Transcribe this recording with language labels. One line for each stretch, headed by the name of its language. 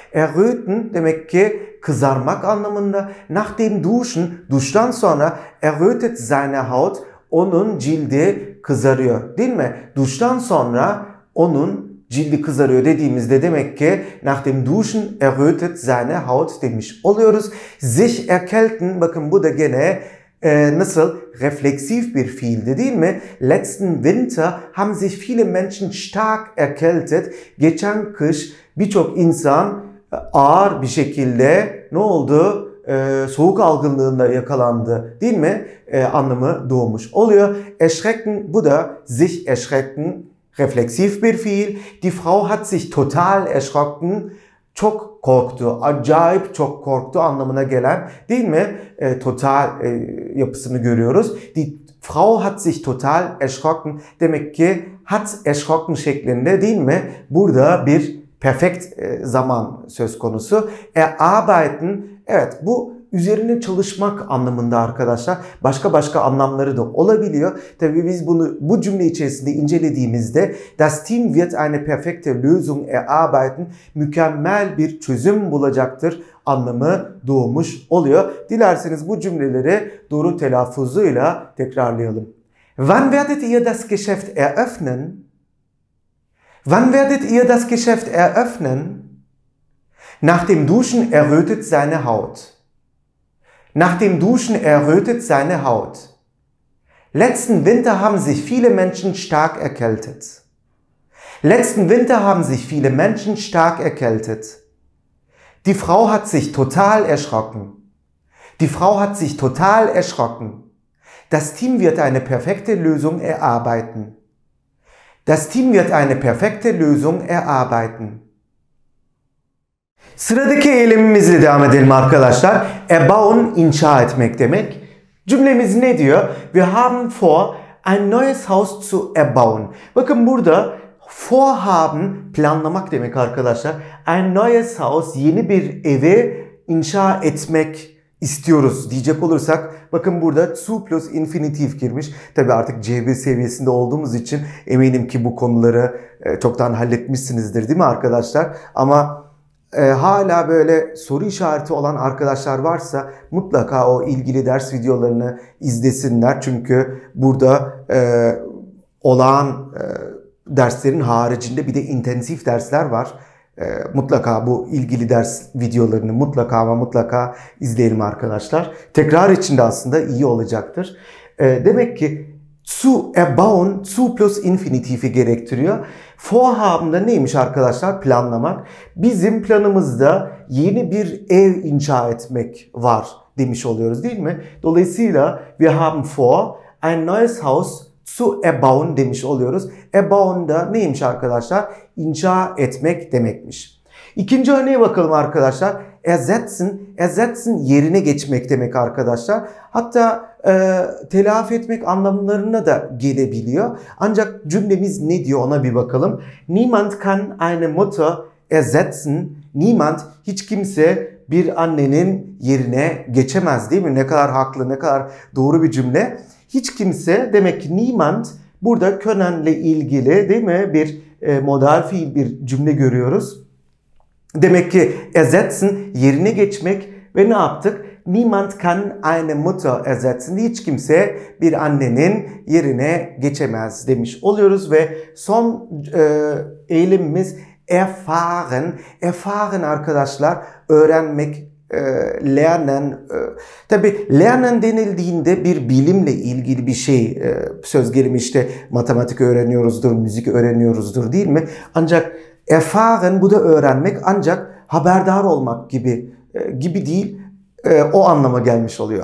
Turkish: Erröten demek ki kızarmak anlamında.
German: Nach dem Duschen,
Turkish: duştan sonra,
German: errötet seine Haut,
Turkish: onun cildi kızarıyor. Değil mi? Duştan sonra onun cildi kızarıyor dediğimizde demek ki
German: nach dem Duschen errötet seine Haut
Turkish: demiş oluyoruz. Sich erkälten, bakın bu da gene nasıl refleksif bir fiildi, değil mi?
German: Letzten Winter haben sich viele Menschen stark erkältet.
Turkish: Geçen kış birçok insan ağır bir şekilde ne oldu? Soğuk algınlığında yakalandı, değil mi? Anlamı doğmuş oluyor. Erschrecken, bu da sich erschrecken, refleksif bir fiil.
German: Die Frau hat sich total erschrocken,
Turkish: çok korktu, acayip çok korktu anlamına gelen, değil mi? Total yapısını görüyoruz.
German: Die Frau hat sich total erschrocken,
Turkish: demek ki
German: hat erschrocken
Turkish: şeklinde, değil mi? Burada bir perfekt zaman söz konusu. Erarbeiten, evet, bu üzerine çalışmak anlamında arkadaşlar. Başka başka anlamları da olabiliyor. Tabii biz bunu bu cümle içerisinde incelediğimizde
German: das Team wird eine perfekte Lösung erarbeiten,
Turkish: mükemmel bir çözüm bulacaktır anlamı doğmuş oluyor. Dilerseniz bu cümleleri doğru telaffuzuyla tekrarlayalım.
German: Wann werdet ihr das Geschäft eröffnen? Wann werdet ihr das Geschäft eröffnen? Nach dem Duschen errötet seine Haut. Nach dem Duschen errötet seine Haut. Letzten Winter haben sich viele Menschen stark erkältet. Letzten Winter haben sich viele Menschen stark erkältet. Die Frau hat sich total erschrocken. Die Frau hat sich total erschrocken. Das Team wird eine perfekte Lösung erarbeiten. Das Team wird eine perfekte Lösung erarbeiten.
Turkish: Sıradaki eylemimizle devam edelim arkadaşlar. Erbauen, inşa etmek demek. Cümlemiz ne diyor?
German: Wir haben vor, ein neues Haus zu erbauen.
Turkish: Bakın burada vorhaben, planlamak demek arkadaşlar.
German: Ein neues Haus,
Turkish: yeni bir evi inşa etmek istiyoruz diyecek olursak, bakın burada zu plus infinitif girmiş. Tabi artık C1 seviyesinde olduğumuz için eminim ki bu konuları çoktan halletmişsinizdir, değil mi arkadaşlar? Ama hala böyle soru işareti olan arkadaşlar varsa mutlaka o ilgili ders videolarını izlesinler. Çünkü burada olağan derslerin haricinde bir de intensif dersler var. Mutlaka bu ilgili ders videolarını mutlaka ama mutlaka izleyelim arkadaşlar. Tekrar içinde aslında iyi olacaktır. Demek ki zu erbauen, zu plus infinitifi gerektiriyor. Vorhaben da neymiş arkadaşlar? Planlamak. Bizim planımızda yeni bir ev inşa etmek var demiş oluyoruz, değil mi? Dolayısıyla
German: wir haben vor, ein neues Haus zu erbauen
Turkish: demiş oluyoruz. Erbauen da neymiş arkadaşlar? İnşa etmek demekmiş. İkinci örneğe bakalım arkadaşlar. Ersetzen, ersetzen yerine geçmek demek arkadaşlar. Hatta telafi etmek anlamlarına da gelebiliyor. Ancak cümlemiz ne diyor ona bir bakalım.
German: Niemand kann eine Mutter ersetzen.
Turkish: Niemand, hiç kimse bir annenin yerine geçemez, değil mi? Ne kadar haklı, ne kadar doğru bir cümle. Hiç kimse, demek ki niemand, burada können'le ilgili, değil mi? Bir modal fiil, bir cümle görüyoruz. Demek ki ersetzen, yerine geçmek, ve ne yaptık?
German: Niemand kann eine Mutter ersetzen.
Turkish: Hiç kimse bir annenin yerine geçemez demiş oluyoruz. Ve son eylemimiz erfahren. Erfahren arkadaşlar, öğrenmek, lernen. Tabi lernen denildiğinde bir bilimle ilgili bir şey söz gelimi, işte matematik öğreniyoruzdur, müzik öğreniyoruzdur, değil mi? Ancak erfahren, bu da öğrenmek, ancak haberdar olmak gibi değil, o anlama gelmiş oluyor.